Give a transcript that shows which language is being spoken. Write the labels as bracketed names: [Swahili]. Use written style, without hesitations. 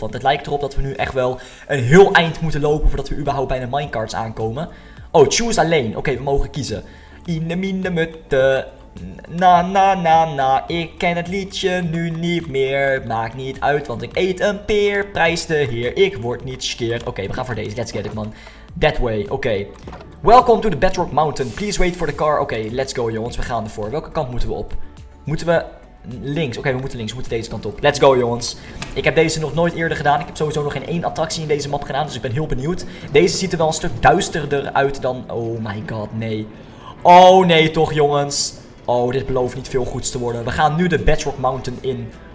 [Dutch] Want het lijkt erop dat we nu echt wel een heel eind moeten lopen voordat we überhaupt bij de minecarts aankomen. Oh, choose alleen. Oké, we mogen kiezen. In de mine mutte... Na na na na, ik ken het liedje nu niet meer. Maakt niet uit, want ik eet een peer. Prijs de heer, ik word niet skeerd. Oké, we gaan voor deze, [English] let's get it man. That way, Welcome to the Bedrock Mountain, please wait for the car. [Dutch] Oké, [English] let's go [Dutch] jongens, we gaan ervoor. Welke kant moeten we op? Moeten we links, oké, we moeten links, we moeten deze kant op. [English] Let's go [Dutch] jongens. Ik heb deze nog nooit eerder gedaan. Ik heb sowieso nog geen één attractie in deze map gedaan. Dus ik ben heel benieuwd. Deze ziet er wel een stuk duisterder uit dan. [English] Oh my god, [Dutch] nee. Oh nee toch jongens. Oh, dit belooft niet veel goeds te worden. We gaan nu de Bedrock Mountain in.